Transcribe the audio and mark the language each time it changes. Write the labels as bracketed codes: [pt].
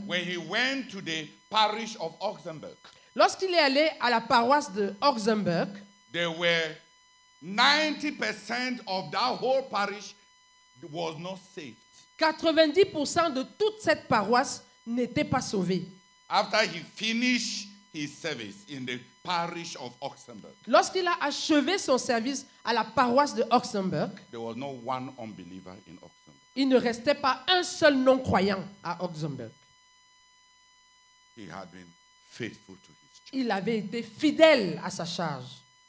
[en] When he went to the parish of Augsburg. [fr] Lorsqu'il est allé à la paroisse de Augsburg. [en] There were 90% of that whole parish was not saved. [fr] 90% de toute cette paroisse n'était pas sauvée. [en] After he finished his service in the parish of Augsburg. [fr] Lorsqu'il a achevé son service à la paroisse de Augsburg. [en] There was no one unbeliever in Augsburg. [fr] Il ne restait pas un seul non-croyant à Augsburg. [en] He had been faithful to his charge. [fr] Il avait été fidèle à sa charge.